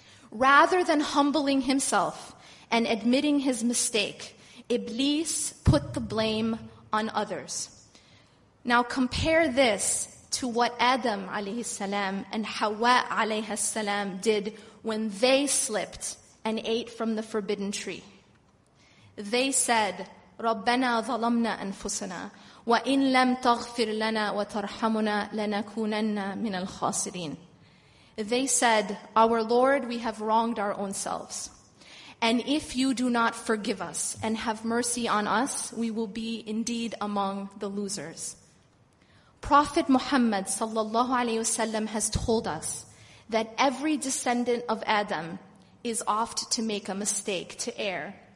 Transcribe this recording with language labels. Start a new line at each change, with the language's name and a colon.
English: Rather than humbling himself and admitting his mistake, Iblis put the blame on others. Now compare this to what Adam alayhi salam and Hawa alayhi salam did when they slipped and ate from the forbidden tree. They said,
Arabic: رَبَّنَا ظَلَمْنَا أَنفُسَنَا وَإِن لَمْ تَغْفِرْ لَنَا وَتَرْحَمُنَا لَنَكُونَنَّا مِنَ الْخَاسِرِينَ.
English: They said, our Lord, we have wronged our own selves. And if you do not forgive us and have mercy on us, we will be indeed among the losers. Prophet Muhammad sallallahu alayhi wasallam has told us that every descendant of Adam is oft to make a mistake, to err.